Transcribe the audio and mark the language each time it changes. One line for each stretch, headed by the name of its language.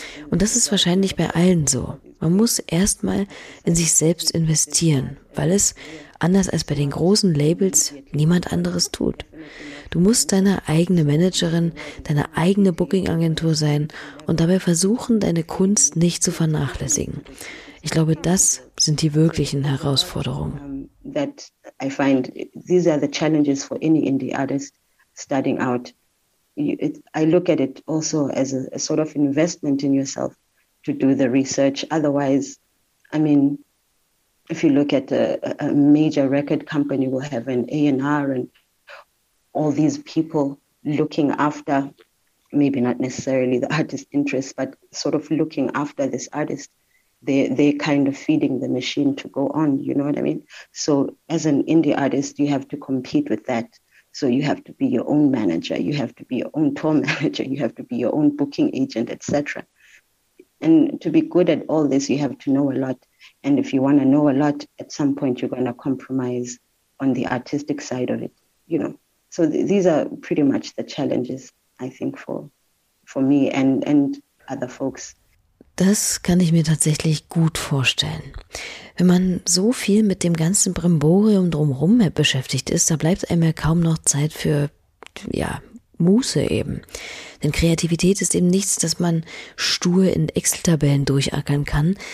German: Und das ist wahrscheinlich bei allen so. Man muss erstmal in sich selbst investieren, weil es, anders als bei den großen Labels, niemand anderes tut. Du musst deine eigene Managerin, deine eigene Booking-Agentur sein und dabei versuchen, deine Kunst nicht zu vernachlässigen. Ich glaube, das sind die wirklichen Herausforderungen.
English: That I find, these are the challenges for any indie artist starting out. I look at it also as a sort of investment in yourself to do the research. Otherwise, I mean, if you look at a major record company, will have an A&R and all these people looking after, maybe not necessarily the artist's interests, but sort of looking after this artist. They're kind of feeding the machine to go on, you know what I mean? So as an indie artist, you have to compete with that. So you have to be your own manager, you have to be your own tour manager, you have to be your own booking agent, etc. And to be good at all this, you have to know a lot. And if you want to know a lot, at some point you're going to compromise on the artistic side of it, you know. So these are pretty much the challenges, I think, for me and other folks.
German: Das kann ich mir tatsächlich gut vorstellen. Wenn man so viel mit dem ganzen Brimborium drumherum beschäftigt ist, da bleibt einem ja kaum noch Zeit für, ja, Muße eben. Denn Kreativität ist eben nichts, das man stur in Excel-Tabellen durchackern kann.